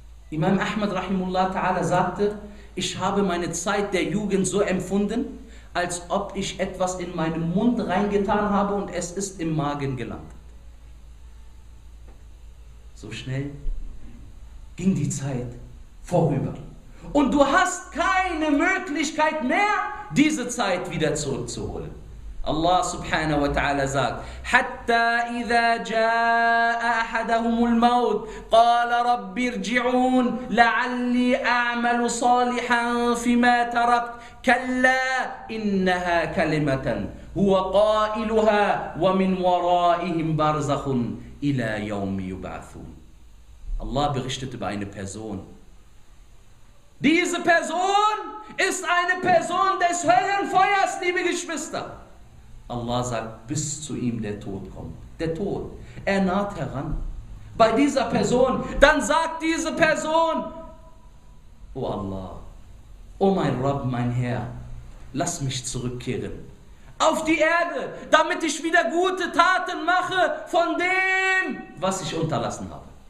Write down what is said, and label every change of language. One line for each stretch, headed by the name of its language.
German: Imam Ahmad rahimullah ta'ala sagte, ich habe meine Zeit der Jugend so empfunden, als ob ich etwas in meinen Mund reingetan habe und es ist im Magen gelandet. So schnell ging die Zeit vorüber. Und du hast keine Möglichkeit mehr, diese Zeit wieder zurückzuholen.
Arabic: Allah subhanahu wa ta'ala sagt, حَتَّى إِذَا جَاءَ أَحَدَهُمُ الْمَوْتِ قَالَ رَبِّ ارْجِعُونَ لَعَلِّي أَعْمَلُ صَالِحًا فِمَا تَرَكْتْ كَلَّا إِنَّهَا كَلِمَةً هُوَ قَائِلُهَا وَمِنْ وَرَائِهِمْ بَرْزَخٌ إِلَى يَوْمِ يُبْعَثُونَ.
German: Allah berichtet über eine Person. Diese Person ist eine Person des Höllenfeuers, liebe Geschwister. Allah sagt, bis zu ihm der Tod kommt. Der Tod, er naht heran. Bei dieser Person, dann sagt diese Person, O Allah, O mein Rabb, mein Herr, lass mich zurückkehren auf die Erde, damit ich wieder gute Taten mache von dem, was ich unterlassen habe.